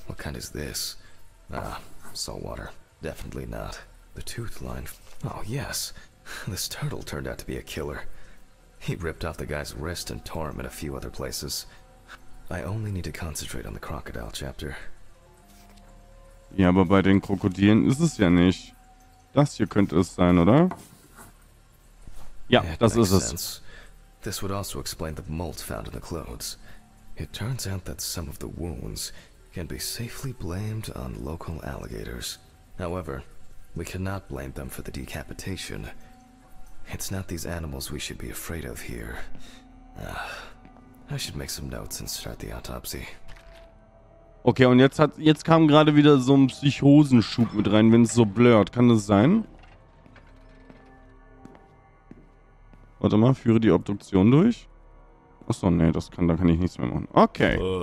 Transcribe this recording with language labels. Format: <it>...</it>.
<en>What kind is this? Ah, salt water. Definitely not. The tooth line. Oh, yes. This turtle turned out to be a killer. He ripped off the guy's wrist and tore him in a few other places. I only need to concentrate on the crocodile chapter.</en> <de>Ja, aber bei den Krokodilen ist es ja nicht. Das hier könnte es sein, oder? Ja, das ist es.</de> <en>This would also explain the mold found in the clothes. It turns out that some of the wounds can be safely blamed on local alligators. However, we cannot blame them for the decapitation. It's not these animals we should be afraid of here. I should make some notes and start the autopsy.</en> <de>Okay, und jetzt kam gerade wieder so ein Psychosenschub mit rein, wenn es so blurrt. Kann das sein? Warte mal, führe die Obduktion durch. Achso, nee, das kann, da kann ich nichts mehr machen. Okay.</de>